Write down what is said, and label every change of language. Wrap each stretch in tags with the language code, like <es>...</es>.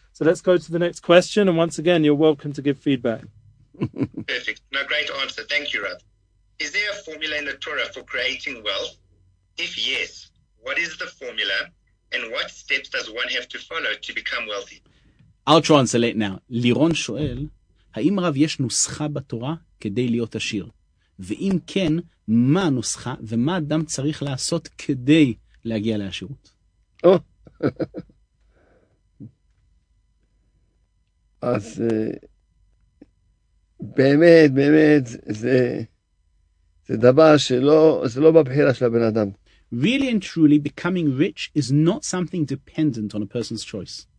<en>So let's go to the next question. And once again, you're welcome to give feedback. Perfect. No, great answer. Thank you, Rav. Is there a formula in the Torah for creating wealth? If yes, what is the formula and what steps does one have to follow to become wealthy? I'll translate now.</en> <he>Liron Shoel, האם רב יש נוסחה בתורה כדי להיות עשיר? ואם כן, מה הנוסחה ומה אדם צריך לעשות כדי להגיע לעשירות? אז באמת, באמת, זה דבר שלא בבחירה של הבן אדם.</he> <en>Really and truly, becoming rich is not something dependent on a person's choice.</en>